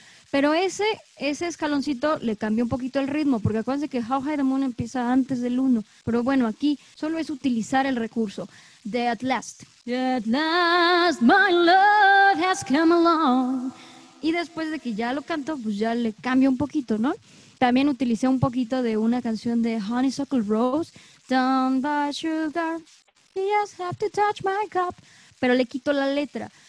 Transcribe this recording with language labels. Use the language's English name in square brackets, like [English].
[Spanish] Pero ese escaloncito le cambió un poquito el ritmo, porque acuérdense que How High the Moon empieza antes del 1. Pero bueno, aquí solo es utilizar el recurso de At Last. [English] At last my love has come along. [Spanish] Y después de que ya lo canto, pues ya le cambio un poquito, ¿no? También utilicé un poquito de una canción de Honeysuckle Rose, [English] Don't Buy Sugar, You Just Have to Touch My Cup, [Spanish] pero le quito la letra.